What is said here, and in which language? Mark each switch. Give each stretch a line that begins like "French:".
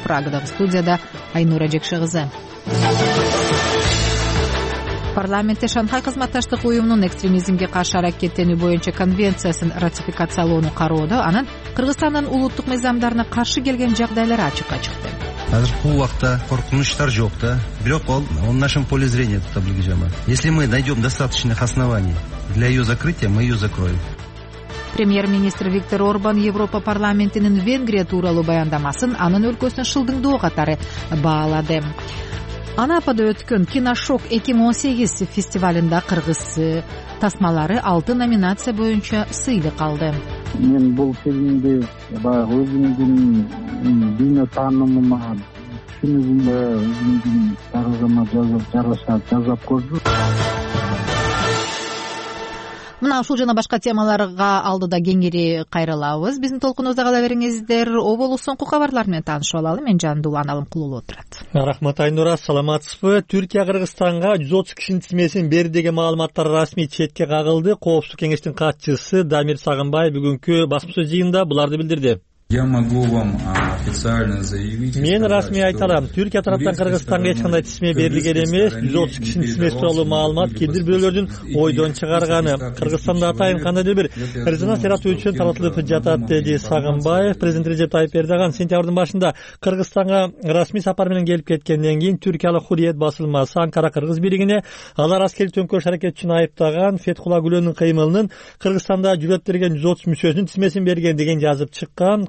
Kyrgyz: Прагадагы студияда Айнура Жекши кызы. Парламентте Шанхай кызматташтык уюмунун экстремизмге каршы аракеттенүү боюнча конвенциясын ратификациялоону кароодо анын Кыргызстандын улуттук мыйзамдарына каршы келген жагдайлары ачыкка чыкты. Азыркы убакта коркунучтар жок да, бирок ал
Russian: в нашем поле зрения, это Бельгиджама. Если мы найдем достаточных оснований для ее закрытия, мы ее закроем.
Kyrgyz: Премьер-министр Виктор Орбан Европа парламентинин Венгрия тууралуу баяндамасын анын өлкөсүнө шылдыңдоо катары баалады. Анапада өткөн Киношок 2018 фестивалында кыргыз тасмалары 6 номинация боюнча сыйлык алды. Мен бул фильмди баягы өзүмдүн дүйнө таанымыма, түшүнүгүмө, өзүмдүн тарыгыма жазып көрдүм. Мына ушул жана башка темаларга алдыда кеңири кайрылабыз. Биздин толкунубузда кала бериңиздер. Облус соңку кабарлар менен таанышып алалы. Мен жанымда Улан-Алым Кулулу отурат. Рахмат Айнура, саламатсызбы. Түркия Кыргызстанга 130 кишинин тизмесин берди деген маалыматтар расмий четке кагылды. Коопсуздук кеңештин катчысы Дамир Сагынбай бүгүнкү басма сөз жыйынында буларды билдирди.
Russian: Я могу вам официально заявить.
Kyrgyz: Мен расмий айтарам, Түркия тараптан Кыргызстанга эч кандай тизме берилген эмес, 130 кишинин тизмеси тууралуу маалымат кимдир бирөөлөрдүн ойдон чыгарганы. Кыргызстанда атайын кандайдыр бир резонанс жаратуу үчүн таратылып жатат, деди Сагынбаев. Президент Режеп Тайип Эрдоган сентябрдын башында Кыргызстанга расмий сапар менен келип кеткенден кийин Түркиялык Хурриет басылмасы Анкара кыргыз биригине алар аскерий төңкөрүш аракети үчүн айыптаган Фетхулла Гүлөндүн кыймылынын Кыргызстанда жүрөт берген 130 мүчөсүнүн тизмесин берген деген жазып чыккан.